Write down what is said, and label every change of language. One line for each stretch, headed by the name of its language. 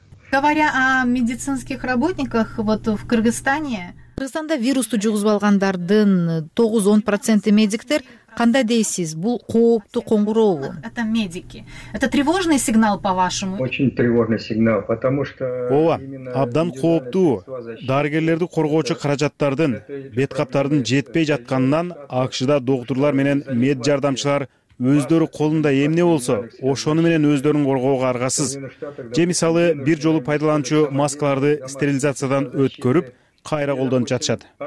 Russian: Говоря о медицинских работниках вот в Кыргызстане.
Kyrgyz: Кыргызстанда вирусту жугузуп алгандардын 9-10% медиктер, кандай дейсиз, бул кооптуу коңгурообу?
Russian: Это медики. Это тревожный сигнал по-вашему? Очень тревожный сигнал, потому что
Kyrgyz: ооба, абдан кооптуу. Дарыгерлерди коргоочу каражаттардын, беткаптардын жетпей жатканынан АКШ-да доктурлар менен мед жардамчылар өздөрү колунда эмне болсо, ошону менен өздөрүн коргоого аргасыз. Же мисалы, бир жолу пайдаланчу маскаларды стерилизациядан өткөрүп, кайра колдонуп жатышат.